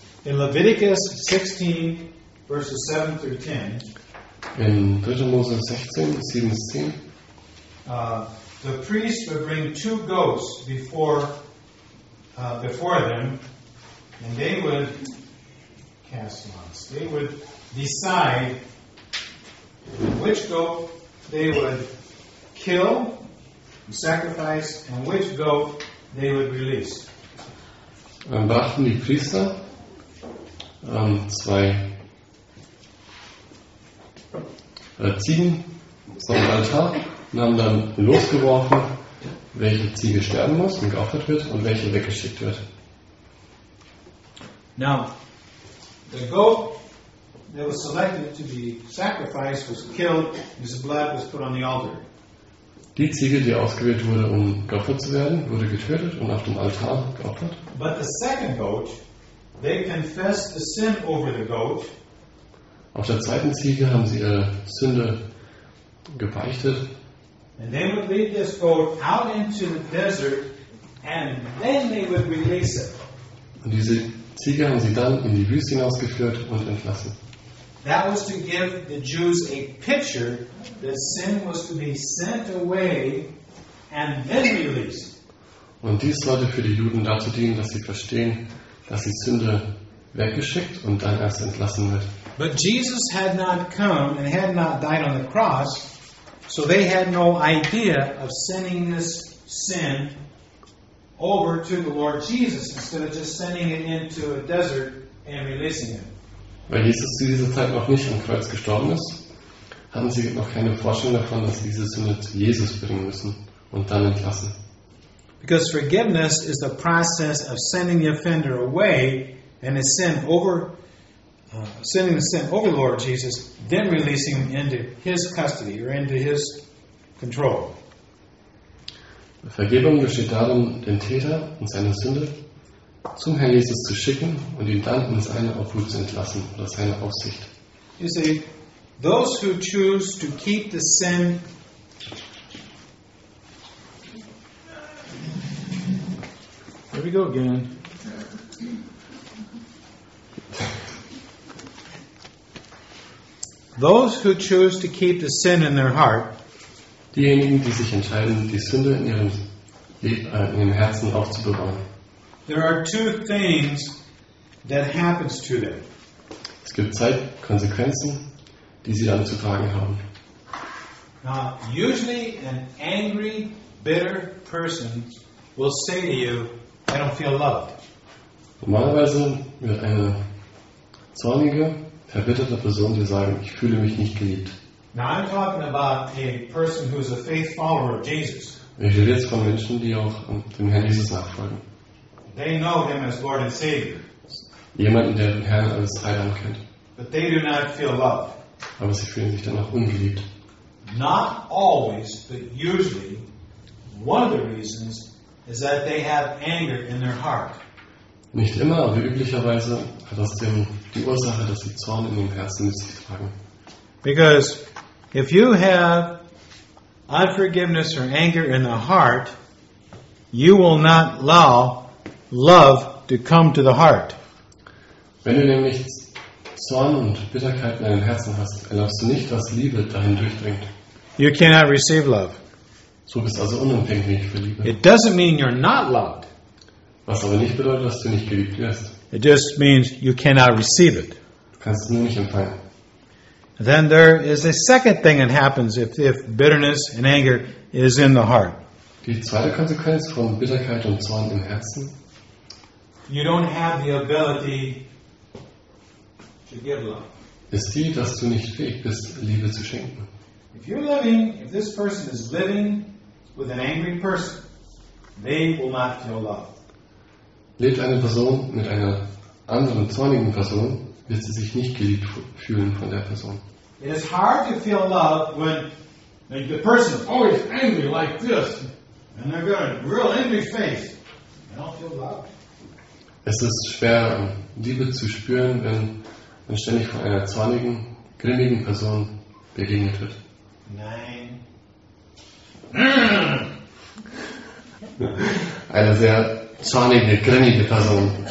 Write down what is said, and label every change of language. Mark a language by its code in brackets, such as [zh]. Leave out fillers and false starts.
[en] In Leviticus 16, verses 7 through 10. [de] In 3. Mose 16, 7 bis 10. [en] The priest would bring two goats before them, and they would cast lots. They would decide which goat they would kill and sacrifice, and which goat they would release. [de] Dann brachten die Priester zwei Ziegen vom Altar, haben dann losgeworfen, welche Ziege sterben muss und geopfert wird und welche weggeschickt wird. [en] Now, the goat that was selected to be sacrificed was killed, his blood was put on the altar. [de] Die Ziege, die ausgewählt wurde, um geopfert zu werden, wurde getötet und auf dem Altar geopfert. [en] But the second goat, they confessed the sin over the goat. [de] Auf der zweiten Ziege haben sie ihre Sünde gebeichtet. [en] And they would lead this goat out into the desert, and then they would release it. [de] Und diese Ziege haben sie dann in die Wüste hinausgeführt und entlassen. [en] That was to give the Jews a picture that sin was to be sent away and then released. [de] Und dies sollte für die Juden dazu dienen, dass sie verstehen, dass die Sünde weggeschickt und dann erst entlassen wird. [en] But Jesus had not come and had not died on the cross. So they had no idea of sending this sin over to the Lord Jesus instead of just sending it into a desert and releasing it. [de] Weil Jesus zu dieser Zeit noch nicht am Kreuz gestorben ist, hatten sie noch keine Vorstellung davon, dass sie diese Sünde zu Jesus bringen müssen und dann entlassen. [en] Because forgiveness is the process of sending the offender away and his sin over, sending the sin over the Lord Jesus, then releasing him into his custody or into his control. [de] Vergebung besteht darin, den Täter und seine Sünde zum Herrn Jesus zu schicken und ihn dann in seine Obhut zu entlassen oder seine Aufsicht. [en] You see, those who choose to keep the sin here we go again. Those who choose to keep the sin in their heart, [de] diejenigen, die sich entscheiden, die Sünde in ihrem Herzen aufzubewahren. [en] There are two things that happens to them. [de] Es gibt zwei Konsequenzen, die sie dann zu tragen haben. [en] Now, usually an angry, bitter person will say to you, I don't feel loved. [de] Normalerweise wird eine zornige, verbitterte Person, die sagen, ich fühle mich nicht geliebt. [en] Now I'm talking about a person who is a faith follower of Jesus. [de] Ich rede jetzt von Menschen, die auch dem Herrn Jesus nachfolgen. [en] They know him as Lord and Savior. [de] Jemanden, der den Herrn als Heiland kennt. [en] But they do not feel loved. [de] Aber sie fühlen sich danach ungeliebt. [en] Not always, but usually, one of the reasons is that they have anger in their heart. [de] Nicht immer, aber üblicherweise hat das die Ursache, dass sie Zorn in ihrem Herzen mit sich tragen. [en] Because If you have unforgiveness or anger in the heart, you will not allow love to come to the heart. [de] Wenn du nämlich Zorn und Bitterkeit in deinem Herzen hast, erlaubst du nicht, dass Liebe dahin durchdringt. [en] You cannot receive love. [de] So bist also unempfänglich für Liebe. [en] It doesn't mean you're not loved. [de] Was aber nicht bedeutet, dass du nicht geliebt wirst. [en] It just means you cannot receive it. [de] Du kannst es nur nicht empfangen. [en] Then there is a second thing that happens if bitterness and anger is in the heart. [de] Die zweite Konsequenz von Bitterkeit und Zorn im Herzen. [en] You don't have the ability to give love. [de] Ist die, dass du nicht fähig bist, Liebe zu schenken. [en] If you're living, if this person is living with an angry person, they will not feel love. [de] Lebt eine Person mit einer anderen zornigen Person, wird sie sich nicht geliebt fühlen von der Person. [en] It is hard to feel love when the person is always angry like this and they've got a real angry face. They don't feel love. [de] Es ist schwer, Liebe zu spüren, wenn man ständig von einer zornigen, grimmigen Person begegnet wird. Nein. Eine sehr zornige, grimmige Person.